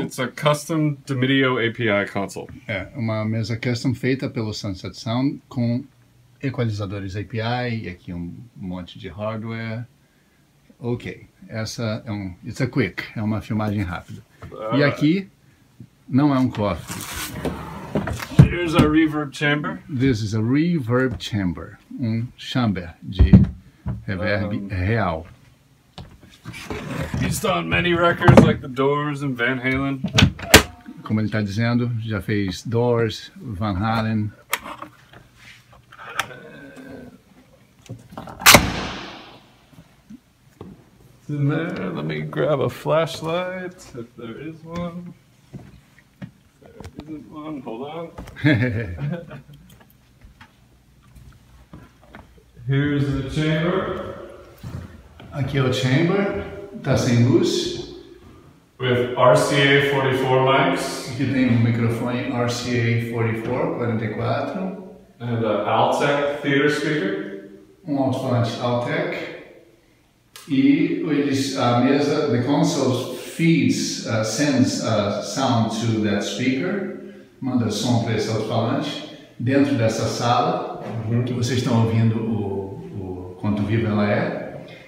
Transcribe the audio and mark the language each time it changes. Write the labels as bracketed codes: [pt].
[en] It's a custom Dimidio API console. [pt] É, uma mesa custom feita pelo Sunset Sound com equalizadores API e aqui um monte de hardware. Ok, essa é um. [en] It's a quick, [pt] é uma filmagem rápida. E aqui não é um cofre. [en] Here's our reverb chamber. This is a reverb chamber, [pt] um chamber de reverb real. [en] He's done many records like The Doors and Van Halen. [pt] Como ele está dizendo, já fez Doors, Van Halen. [en] There, let me grab a flashlight, if there is one. Hold on. Here's the chamber. [pt] Aqui é o chamber, tá sem luz. [en] With RCA 44 mics. [pt] Aqui tem um microfone RCA 44, 44. [en] And the Altec theater speaker. [pt] Um alto-falante Altec. E eles, a mesa, [en] the console feeds, sends a sound to that speaker. [pt] Manda som para esse alto-falante dentro dessa sala que vocês estão ouvindo o quanto vivo ela é.